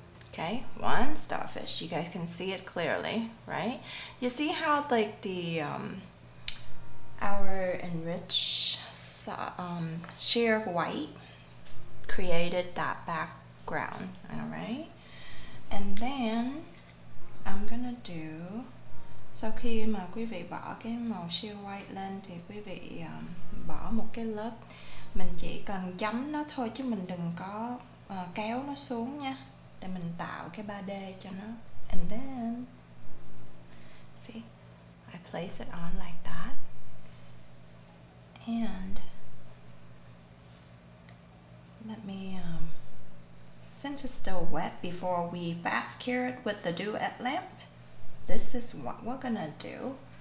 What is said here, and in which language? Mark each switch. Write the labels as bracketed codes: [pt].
[en] Okay, one starfish. You guys can see it clearly, right? You see how like the our enrich sheer white created that background, all right? And then I'm gonna do [vi] sau khi mà quý vị bỏ cái màu sheer white lên thì quý vị bỏ một cái lớp mình chỉ cần chấm nó thôi chứ mình đừng có kéo nó xuống nha để mình tạo cái 3D cho nó. [en] And then see, I place it on like that. And let me since it's still wet, before we fast cure it with the duet lamp, this is what we're gonna do.